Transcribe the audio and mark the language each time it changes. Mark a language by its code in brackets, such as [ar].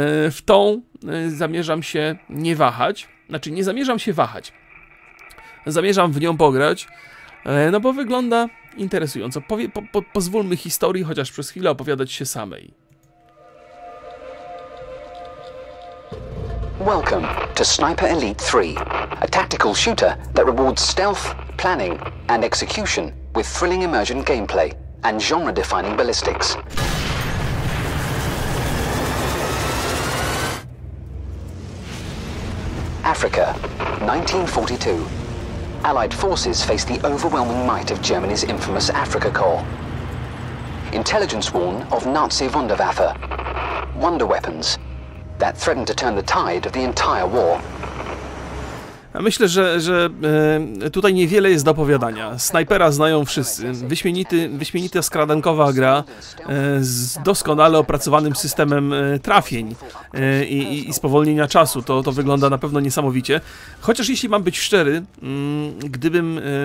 [pl] W tą zamierzam się nie wahać. Znaczy, nie zamierzam się wahać. Zamierzam w nią pograć, no bo wygląda interesująco. Pozwólmy historii chociaż przez chwilę opowiadać się samej. [en] Welcome to Sniper Elite 3, a tactical shooter that rewards stealth, planning and execution with thrilling immersion gameplay and genre-defining ballistics. Africa, 1942. Allied forces face the overwhelming might of Germany's infamous Afrika Korps. Intelligence warn of Nazi Wunderwaffe, wonder weapons, that threaten to turn the tide of the entire war. [pl] Myślę, że tutaj niewiele jest do opowiadania. Snajpera znają wszyscy. Wyśmienita skradankowa gra z doskonale opracowanym systemem trafień i spowolnienia czasu. To wygląda na pewno niesamowicie. Chociaż jeśli mam być szczery, gdybym...